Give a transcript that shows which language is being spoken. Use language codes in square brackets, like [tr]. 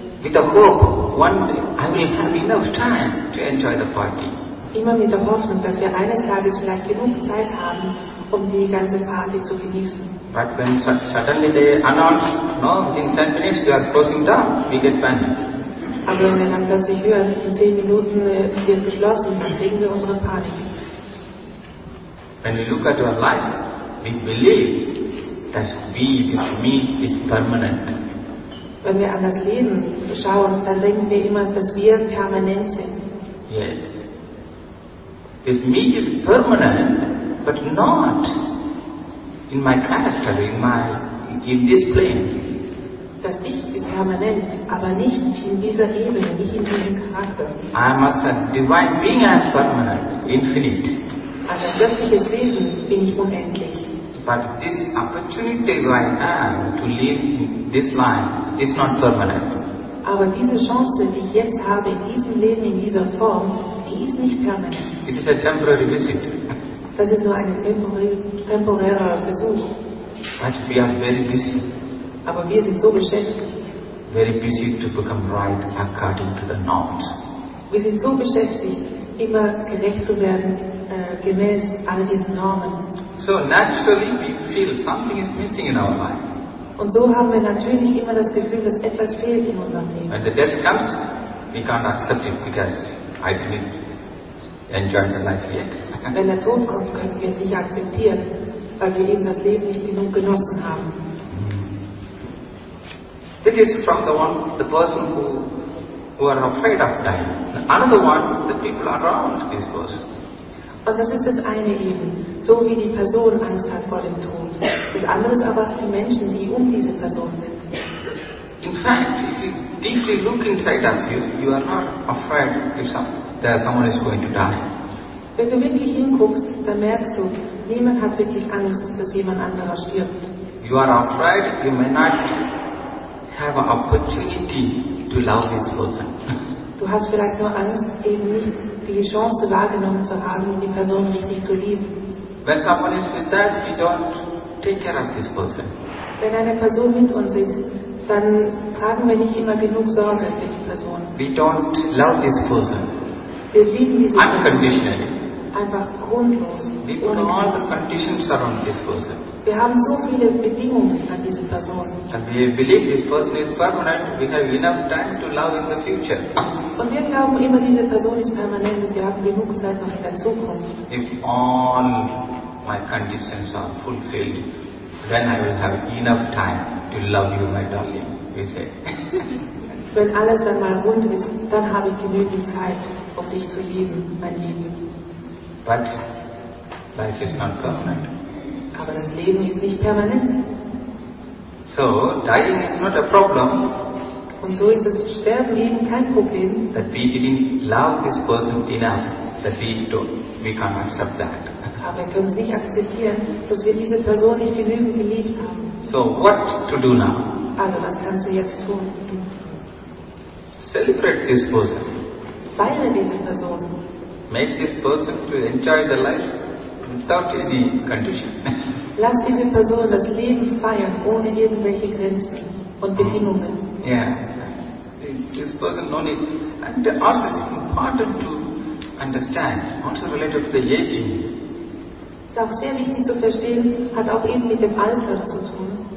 [en] With the hope, one day, I will have enough time to enjoy the party. [de] Immer mit der Hoffnung, dass wir eines Tages vielleicht genug Zeit haben, um die ganze Party zu genießen. [en] But when suddenly they announce, no, in 10 minutes we are closing down, we get panic. [de] Aber wenn wir dann plötzlich hören, in 10 Minuten wird geschlossen, dann kriegen wir unsere Panik. [en] When we look at our life, we believe that we, this me, is permanent. [de] Wenn wir an das Leben schauen, dann denken wir immer, dass wir permanent sind. [en] Yes. This me is permanent, but not in my character, in this plane. [de] Das Ich ist permanent, aber nicht in dieser Ebene, nicht in diesem Charakter. [en] I am as a divine being as permanent, infinite. [de] Als ein göttliches Wesen bin ich unendlich. [en] But this opportunity I have to live in this life is not permanent. [de] Aber diese Chance, die ich jetzt habe, in diesem Leben, in dieser Form, die ist nicht permanent. [en] It is a temporary visit. [de] Das ist nur eine temporäre Besuch. [en] But we are very busy. [de] Aber wir sind so beschäftigt. [en] Very busy to become right according to the norms. [de] Wir sind so beschäftigt, immer gerecht zu werden, gemäß all diesen Normen. [en] So naturally we feel something is missing in our life. [de] Und so haben wir natürlich immer das Gefühl, dass etwas fehlt in unserem Leben. [en] When the death comes, we can't accept it because I didn't enjoy the life yet. [de] Wenn der Tod kommt, können wir es nicht akzeptieren, weil wir eben das Leben nicht genug genossen haben. [en] This is from the person who are afraid of dying. Another one, the people around this person. [de] Und das ist das eine eben, so wie die Person Angst hat vor dem Tod. Das andere ist aber die Menschen, die um diese Person sind. [en] In fact, if you deeply look inside of you, you are not afraid that someone is going to die. [de] Wenn du wirklich hinguckst, dann merkst du, niemand hat wirklich Angst, dass jemand anderer stirbt. [en] You are afraid you may not have an opportunity to love this person. [de] Du hast vielleicht nur Angst, eben nicht die Chance wahrgenommen zu haben, die Person richtig zu lieben. [en] When someone is with us, we don't take care of this person. [de] Wenn eine Person mit uns ist, dann tragen wir nicht immer genug Sorge für die Person. [en] We don't love this person. [de] Wir lieben diese Person. [en] Unconditionally. [de] Einfach grundlos. [en] We put all the conditions around this person. [de] Wir haben so viele Bedingungen an diese Person. [en] And we believe this person is permanent. We have enough time to love in the future. [de] Und wir glauben immer, diese Person ist permanent und wir haben genug Zeit noch in der Zukunft. [en] If all my conditions are fulfilled, then I will have enough time to love you, my darling, we say. [de] Wenn alles dann mal rund ist, dann habe ich genügend Zeit, um dich zu lieben, mein Lieben. [en] But life is not permanent. [de] Aber das Leben ist nicht permanent. [en] So, dying is not a problem. [de] Und so ist das Sterben eben kein Problem. [en] That we didn't love this person enough, that we can't accept that. [de] Aber wir können es nicht akzeptieren, dass wir diese Person nicht genügend geliebt haben. [en] So, what to do now? [de] Also, was kannst du jetzt tun? [en] Celebrate this person. [de] Feiere diese Person. [en] Make this person to enjoy the life without any condition. [de] Lass diese Person das Leben feiern ohne irgendwelche Grenzen und Bedingungen. [en] Yeah, this person no need. And also it's important to understand, also related to the aging. [de] Ist auch sehr wichtig zu verstehen, hat auch eben mit dem Alter zu tun.